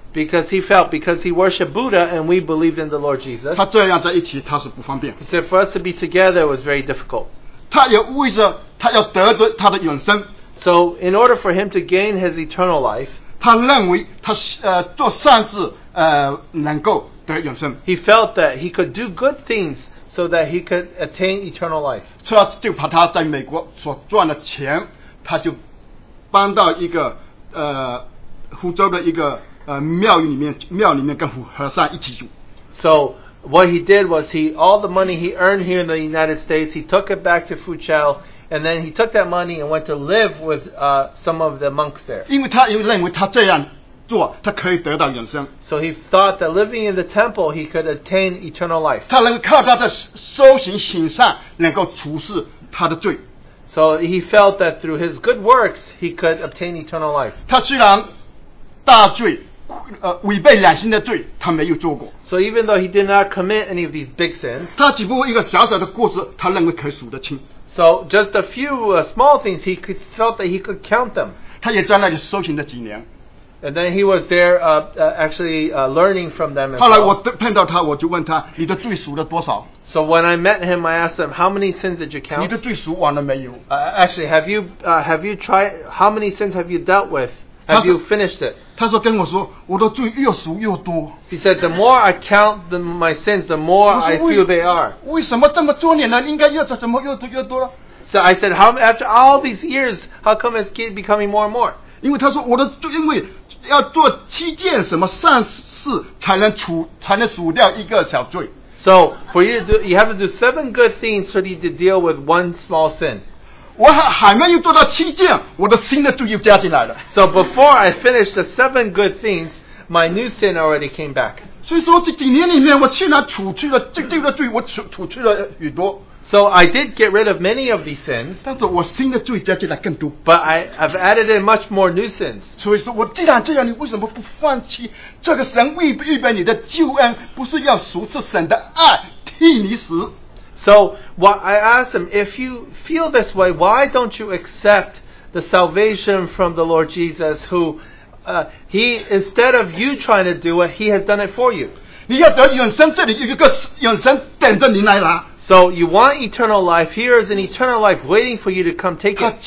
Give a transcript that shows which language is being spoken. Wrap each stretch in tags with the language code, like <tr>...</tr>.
<en>Because he felt, because he worshipped Buddha, and we believed in the Lord Jesus.</en> <zh>他这样在一起，他是不方便。</zh> <en>He said, for us to be together was very difficult.</en> <zh>他也为着他要得着他的永生。</zh> <en>So in order for him to gain his eternal life,</en> <zh>他认为他做善事能够得永生。</zh> <en>He felt that he could do good things so that he could attain eternal life.</en> <zh>他就把他在美国所赚的钱，他就搬到一个。湖州的一个庙里面跟和尚一起住。</zh> <en>So what he did was he all the money he earned here in the United States he took it back to Fuzhou and then he took that money and went to live with some of the monks there.</en> <zh>因为他又认为他这样做他可以得到永生。</zh> <en>So he thought that living in the temple he could attain eternal life.</en> <zh>他能靠他的修行行善能够除去他的罪。</zh> <en>So he felt that through his good works, he could obtain eternal life.</en> <zh>他虽然大罪，违背良心的罪，他没有做过。</zh> <en>So even though he did not commit any of these big sins,</en> <zh>他只不过一个小小的过失，他认为可以数得清。</zh> <en>So just a few small things, he could felt that he could count them.</en> <zh>他也在那里修行了几年。</zh> <en>And then he was there learning from them as well.</en> <zh>后来我碰到他，我就问他，你的罪数了多少？</zh> <en>So when I met him, I asked him, how many sins did you count?</en> <zh>你的罪数完了没有？</zh> <en>Actually, have you tried, how many sins have you dealt with? Have you finished it?</en> <zh>他说跟我说，我的罪越数越多。</zh> <en>He said, the more I count my sins, the more I feel they are.</en> <zh>为什么这么多年了，应该越怎么越多越多了？</zh> <en>So I said, after all these years, how come it's keep becoming more and more?</en> <zh>因为他说我的罪，因为要做七件什么善事才能除掉一个小罪。</zh> <en>So for you to do, you have to do seven good things for you to deal with one small sin.</en> <zh>我还没有做到七件，我的新的罪又加进来了。</zh> <en>So before I finished the seven good things, my new sin already came back.</en> <zh>所以说这几年里面我竟然除去了这个罪我除去了许多</zh> <en>So I did get rid of many of these sins</en> <zh>但是我新的罪加进来更多</zh> <en>But I have added in much more new sins</en> <zh>所以说我既然这样你为什么不放弃这个神预备你的救恩不是要赎赐神的爱替你死</zh> <en>So what I asked him if you feel this way why don't you accept the salvation from the Lord Jesus whoHe, instead of you trying to do it, he has done it for you. So you want eternal life, here is an eternal life waiting for you to come take</en>